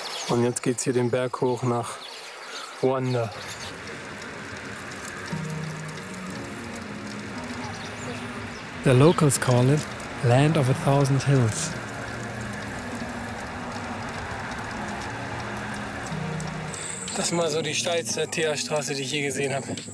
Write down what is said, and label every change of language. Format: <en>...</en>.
<de>Und jetzt geht's hier den Berg hoch nach Wanda.</de> <en>The locals call it Land of a Thousand Hills.</en> <de>Das ist mal so die steilste TA-Straße, die ich je gesehen habe.</de>